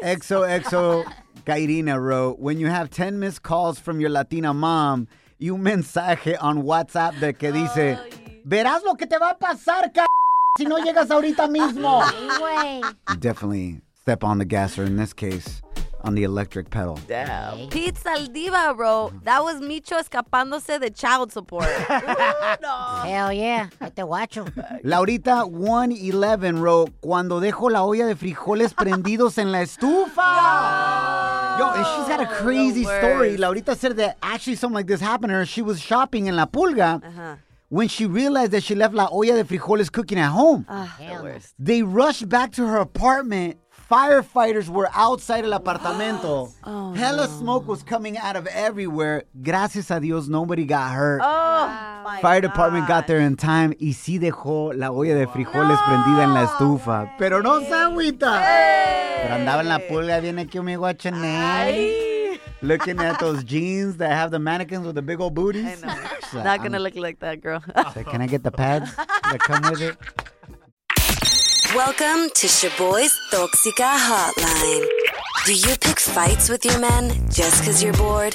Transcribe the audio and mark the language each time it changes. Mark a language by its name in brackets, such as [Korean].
[English] XOXO Gairina wrote, when you have 10 missed calls from your Latina mom, you mensaje on WhatsApp [Spanish] de que dice, verás lo que te va a pasar, si no llegas ahorita mismo. [English] Definitely step on the gas, or in this case, on the electric pedal. Damn. Pete Saldiva wrote, that was Micho [Spanish] escapándose de [English] child support. Hell yeah. [Spanish] Este guacho. Laurita 111 wrote, cuando dejo la olla de frijoles prendidos en la estufa. [English] Yo, and she's got a crazy story. Laurita said that actually something like this happened to her. She was shopping in La Pulga. Uh-huh. When she realized that she left [Spanish] la olla de frijoles [English] cooking at home. Hell. They rushed back to her apartment. Firefighters were outside el apartamento. Oh, hella smoke was coming out of everywhere. [Spanish] Gracias a Dios, [English] nobody got hurt. Oh, wow. Fire department got there in time. [Spanish] Y sí dejó la olla de frijoles prendida en la estufa. Hey. Pero no se agüita. [English] Hey. [Spanish] Pero andaba en la pulga, viene aquí mi guachanel. [English] Looking at those jeans that have the mannequins with the big old booties. I know. Not going to look like that, girl. So can I get the pads that come with it? Welcome to Shaboy's Toxica Hotline. Do you pick fights with your men just because you're bored?